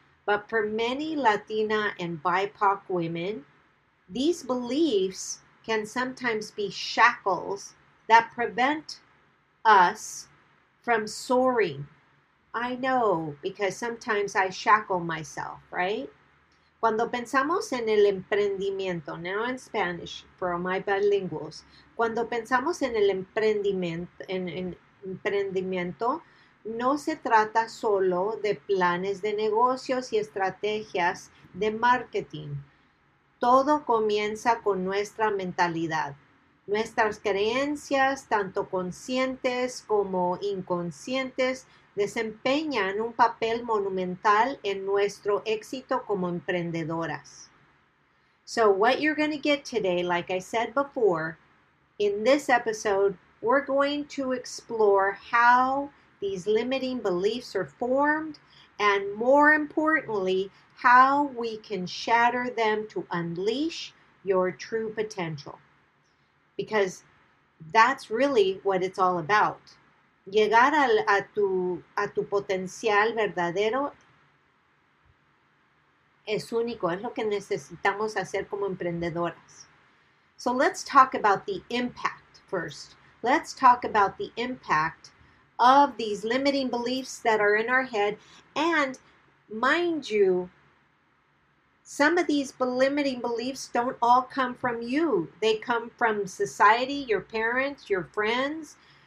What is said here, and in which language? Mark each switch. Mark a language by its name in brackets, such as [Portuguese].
[English] But for many Latina and BIPOC women, these beliefs can sometimes be shackles that prevent us from soaring. I know, because sometimes I shackle myself, right? [Spanish] Cuando pensamos en el emprendimiento, [English] now in Spanish for my bilinguals, [Spanish] cuando pensamos en el emprendimiento, en emprendimiento, no se trata solo de planes de negocios y estrategias de marketing. Todo comienza con nuestra mentalidad, nuestras creencias, tanto conscientes como inconscientes, desempeñan un papel monumental en nuestro éxito como emprendedoras. [English] So what you're going to get today, like I said before, in this episode, we're going to explore how these limiting beliefs are formed, and more importantly, how we can shatter them to unleash your true potential. Because that's really what it's all about. [Spanish] Llegar a tu potencial verdadero es único, es lo que necesitamos hacer como emprendedoras. [English] So let's talk about the impact first. Let's talk about the impact of these limiting beliefs that are in our head. And mind you, some of these limiting beliefs don't all come from you. They come from society, your parents, your friends.